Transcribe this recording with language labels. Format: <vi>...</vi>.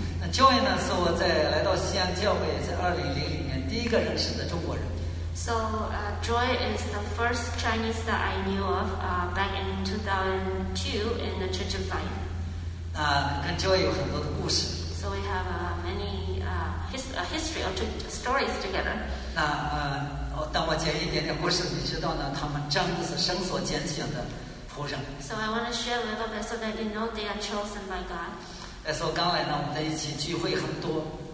<zh>那教会呢是我在来到西安教会在2000年第一个认识的中国人。</zh> <en>So Joy is the first Chinese that I knew of back in 2002 in the Church of Zion.</en> <zh>那跟 Joy 有很多的故事。</zh> <en>So we have many history or stories together.</en> <zh>那当我讲一点点故事，你知道呢？他们真的是神所拣选的仆人。</zh> <en>So I want to share a little bit so that you know they are chosen by God.</en> <zh>那时候刚来呢，我们在一起聚会很多。</zh>